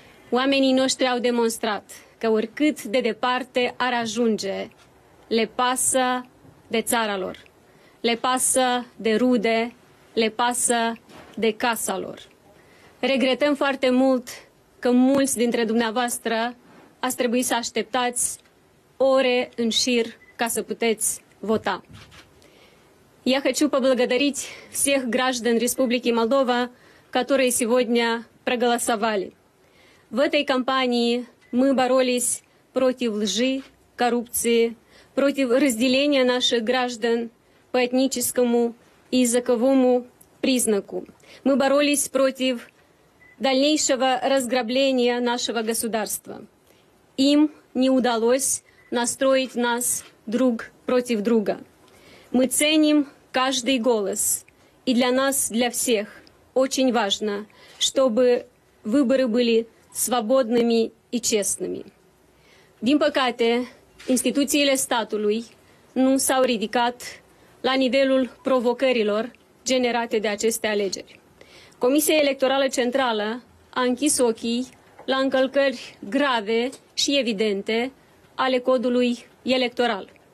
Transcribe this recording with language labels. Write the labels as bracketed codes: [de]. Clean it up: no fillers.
[ro] Oamenii noștri au demonstrat că oricât de departe ar ajunge, le pasă de țara lor, le pasă de rude, le pasă de casa lor. Regretăm foarte mult că mulți dintre dumneavoastră ați trebuit să așteptați ore în șir ca să puteți vota. [ru] Я хочу поблагодарить всех граждан Республики Молдова, которые сегодня проголосовали. В этой кампании мы боролись против лжи, коррупции, против разделения наших граждан по этническому и языковому признаку. Мы боролись против дальнейшего разграбления нашего государства. Им не удалось настроить нас друг против друга. Мы ценим каждый голос, и для нас, для всех, очень важно, чтобы выборы были свободными и честными. [ro] Din păcate, instituțiile statului nu s-au ridicat la nivelul provocărilor generate de aceste alegeri. Comisia Electorală Centrală a închis ochii la încălcări grave și evidente ale codului electoral.